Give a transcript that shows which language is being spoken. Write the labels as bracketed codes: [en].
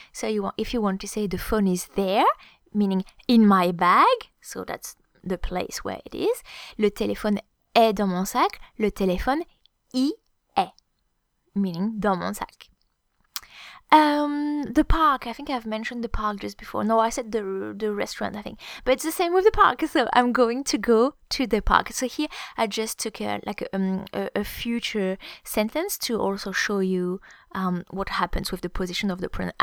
[en] So if you want to say the phone is there, meaning in my bag, so that's the place where it is. [fr] Le téléphone est dans mon sac. Le téléphone y est, [en] meaning [fr] dans mon sac. [en] The park, I think I've mentioned the park just before. No, I said the restaurant, I think. But it's the same with the park, so I'm going to go to the park. So here I just took a future sentence to also show you what happens with the position of the pronoun.